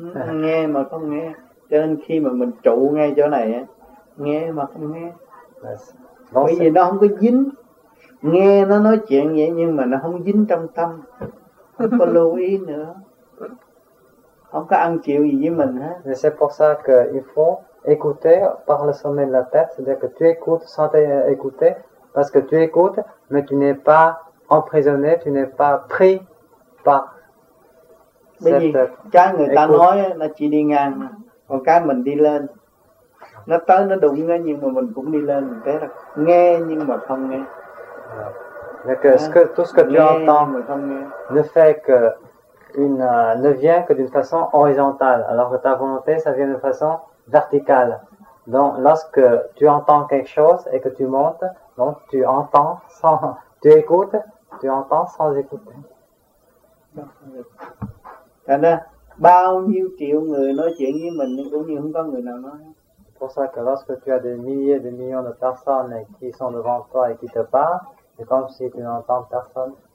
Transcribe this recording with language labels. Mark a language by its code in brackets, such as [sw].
[vi] nghe mà không nghe cho nên khi mà mình trụ ngay chỗ này nghe mà không nghe, bởi vì nó không có dính, nghe nó nói chuyện vậy nhưng mà nó không dính trong tâm, không có lưu ý nữa, không có ăn chịu gì với mình hết. [fr] Mais c'est pour ça que il faut écouter par le sommet de la tête, c'est-à-dire que tu écoutes sans t'écouter, parce que tu écoutes mais tu n'es pas emprisonné, tu n'es pas pris par cette écoute. [vi] Cái người ta nói là chỉ đi ngang, còn cái mình đi lên. Nó tới nó đụng nghe nhưng mà mình cũng đi lên thế là nghe nhưng mà không nghe. [fr] Donc ce que tout ce que tu entends mais [vi] không nghe. [fr] Ne fait que une ne vient que d'une façon horizontale alors que ta volonté ça vient de façon verticale. Donc lorsque tu entends quelque chose et que tu montes, donc tu entends sans tu écoutes, tu entends sans écouter. [vi] Thành ra bao nhiêu triệu người nói chuyện với mình cũng như không có người nào nói. [fr] C'est pour ça que lorsque tu as des milliers de millions de personnes qui sont devant toi et qui te parlent, c'est comme si tu n'entends personne.